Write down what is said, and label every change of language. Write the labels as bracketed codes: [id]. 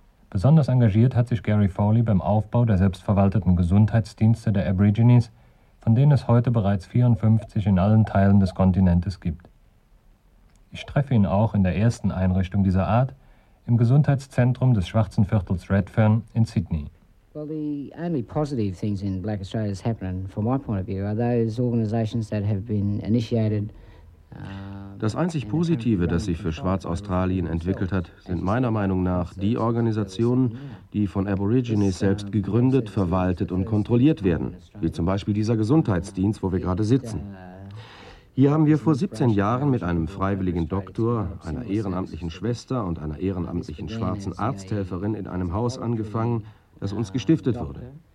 [de] Besonders engagiert hat sich Gary Foley beim Aufbau der selbstverwalteten Gesundheitsdienste der Aborigines, von denen es heute bereits 54 in allen Teilen des Kontinentes gibt. Ich treffe ihn auch in der ersten Einrichtung dieser Art, im Gesundheitszentrum des schwarzen Viertels Redfern in Sydney. [en] Well, the only positive things in Black Australia that's happening, from my point of view, are those organizations that have been initiated. [de] Das einzig Positive, das sich für Schwarz-Australien entwickelt hat, sind meiner Meinung nach die Organisationen, die von Aborigines selbst gegründet, verwaltet und kontrolliert werden, wie zum Beispiel dieser Gesundheitsdienst, wo wir gerade sitzen. Hier haben wir vor 17 Jahren mit einem freiwilligen Doktor, einer ehrenamtlichen Schwester und einer ehrenamtlichen schwarzen Arzthelferin in einem Haus angefangen, das uns gestiftet wurde.